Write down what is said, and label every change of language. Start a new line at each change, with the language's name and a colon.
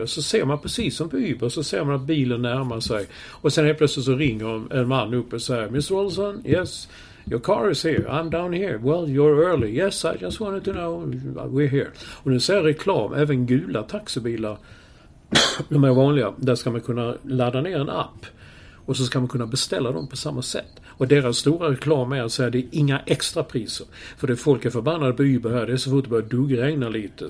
Swedish: Och så ser man precis som på Uber, så ser man att bilen närmar sig. Och sen helt plötsligt så ringer en man upp och säger: Mr.
English: Wilson, yes, your car is here, I'm down here. Well, you're early. Yes, I just wanted to know, we're here.
Swedish: Och nu ser reklam, även gula taxibilar, de är vanliga, där ska man kunna ladda ner en app, och så ska man kunna beställa dem på samma sätt. Och deras stora reklam är att säga att det är inga extra priser. För det folk är förbannade på Uber här, det är så fort det börjar duggregna lite.